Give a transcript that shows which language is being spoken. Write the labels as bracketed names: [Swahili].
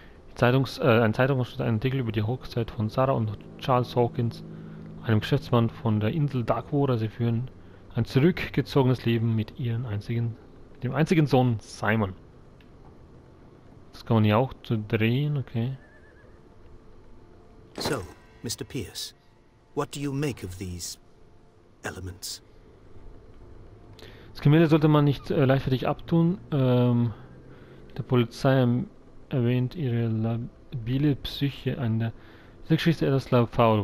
[German] Die Zeitungs, ein Zeitungsstück, ein Artikel über die Hochzeit von Sarah und Charles Hawkins, einem Geschäftsmann von der Insel Darkwater. Sie führen ein zurückgezogenes Leben mit ihrem einzigen, dem einzigen Sohn Simon. Das kann man ja auch zu drehen, okay. [English] So, Mr. Pierce, what do you make of these elements? [German] Das Gemälde sollte man nicht leichtfertig abtun. Der Polizei erwähnt ihre labile Psyche an der Geschichte etwas faul.